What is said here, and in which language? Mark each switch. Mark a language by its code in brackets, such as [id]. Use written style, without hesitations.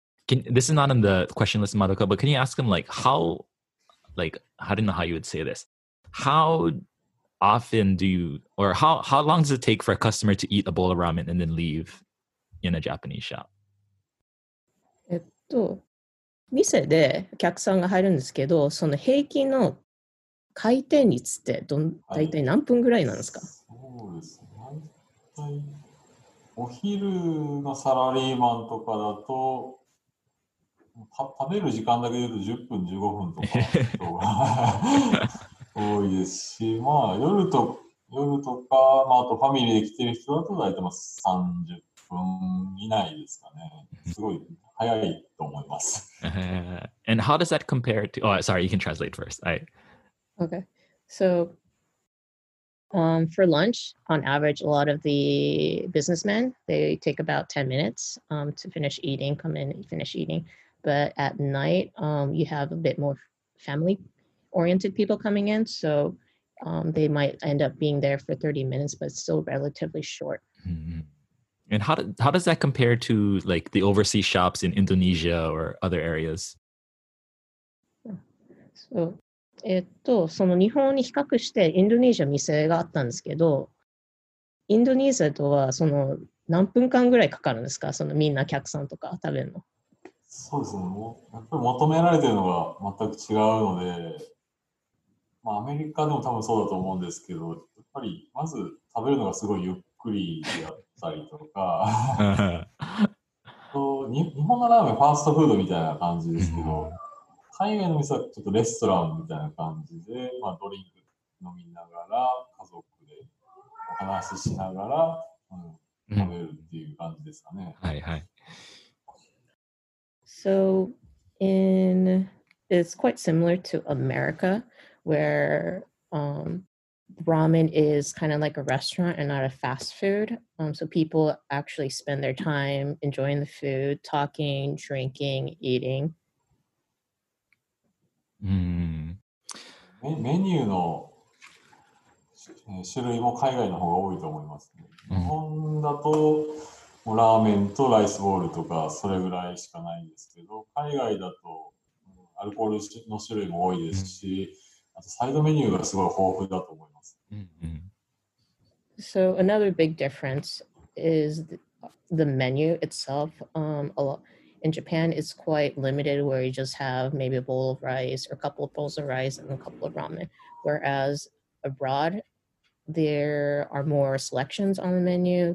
[en] This is not on the question list, Madoka, but can you ask him, like, I don't know how you would say this. How often do you, or how long does it take for a customer to eat a bowl of ramen and then leave in a Japanese shop? [ja] 店でお客さんが入るんですけど、その平均の回転率って大体何分ぐらいなんですか？そうですね。大体、お昼のサラリーマンとかだと、食べる時間だけで言うと10分、15分とか多いですし、まあ夜とか、まあ、あとファミリーで来てる人だと大体30分以内ですかね。すごい早いと思います。 [en] And how does that compare to... Oh, sorry, you can translate first. Okay. So, for lunch, on average, a lot of the businessmen, they take about 10 minutes to finish eating, come in and finish eating. But at night, you have a bit more family-oriented people coming in, so they might end up being there for 30 minutes, but still relatively short. Mm-hmm. And how does that compare to like the overseas shops in Indonesia or other areas? [ja] So, その日本に比較してインドネシア店があったんですけど、インドネシアとはその何分間ぐらいかかるんですか？そのみんな客さんとか食べるの。そうですね。もうやっぱり求められているのが全く違うので、まあ、アメリカでも多分そうだと思うんですけど、やっぱりまず食べるのがすごいゆっくりだったりとか、日本のラーメンファーストフードみたいな感じですけど、海外の店はちょっとレストランみたいな感じで、まあ、ドリンク飲みながら、家族でお話ししながら、食べるっていう感じですかね。はいはい。 [en] So, in it's quite similar to America, where ramen is kind of like a restaurant and not a fast food. So people actually spend their time enjoying the food, talking, drinking, eating. Hmm. [ja] Menu の種類も海外の方が多いと思います、ね。日本だと。ラーメンとライスボールとかそれぐらいしかないんですけど海外だとアルコールの種類も多いですし、mm-hmm. あとサイドメニューがすごい豊富だと思います、 mm-hmm. [en] So another big difference is the menu itself a lot. In Japan it's quite limited where you just have maybe a bowl of rice or a couple of bowls of rice and a couple of ramen whereas abroadThere are more selections on the menu.